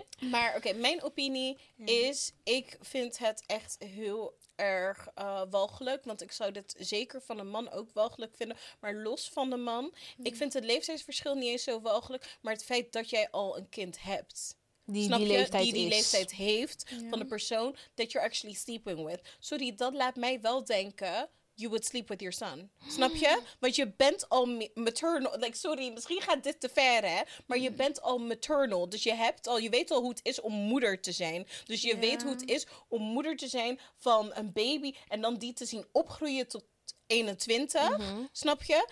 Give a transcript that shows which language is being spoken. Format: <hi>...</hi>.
<nl>Maar mijn opinie is, ik vind het echt heel... erg walgelijk, want ik zou dit zeker van een man ook walgelijk vinden, maar los van de man, ik vind het leeftijdsverschil niet eens zo walgelijk, maar het feit dat jij al een kind hebt, die leeftijd heeft van de persoon</nl> <en>that you're actually sleeping with.</en> <nl>Sorry, dat laat mij wel denken,</nl> <en>you would sleep with your son.</en> <nl>Snap je? Want je bent al maternal, misschien gaat dit te ver, hè, maar je bent al maternal, dus je hebt al, je weet al hoe het is om moeder te zijn, dus je weet hoe het is om moeder te zijn van een baby en dan die te zien opgroeien tot 21, snap je?</nl>